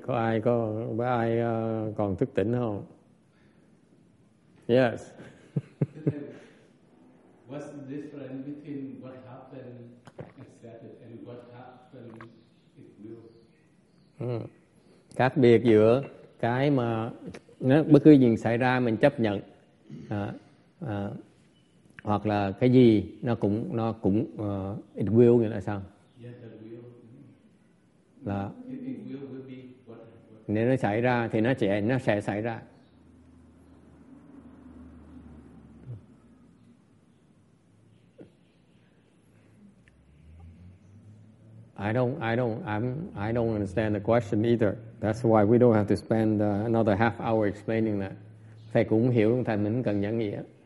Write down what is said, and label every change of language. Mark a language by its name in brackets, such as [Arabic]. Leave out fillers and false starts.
[Vietnamese] Có ai có ai còn thức tỉnh không? [English] Yes. What's the difference between what happened accepted and what happened it will? [Vietnamese] Khác biệt giữa cái mà nó bất cứ gì xảy ra mình chấp nhận hoặc là cái gì nó cũng [English] it will [Vietnamese] nghĩa là sao? Là nếu nó xảy ra thì nó sẽ xảy ra. [English] I don't understand the question either. That's why we don't have to spend another half hour explaining that. [Vietnamese] Thầy cũng hiểu, thầy mình cần giảng nghĩa.